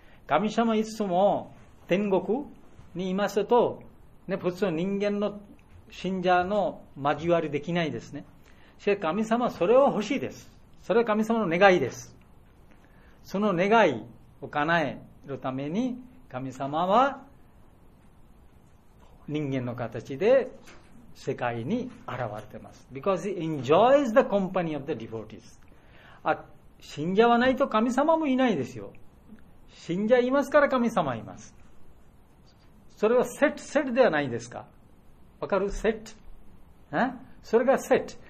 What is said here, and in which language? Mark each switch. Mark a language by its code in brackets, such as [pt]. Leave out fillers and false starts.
[ja] 神様はいつも天国にいますと、ね、普通人間の信者の交わりできないですね。しかし神様はそれを欲しいです。それは神様の願いです。その願いを叶えるために神様は人間の形で世界に現れています。 [en] Because he enjoys the company of the devotees. [ja] 信者はないと神様もいないですよ。信者いますから神様います。それはセットではないですか。わかる？セット、それがセット。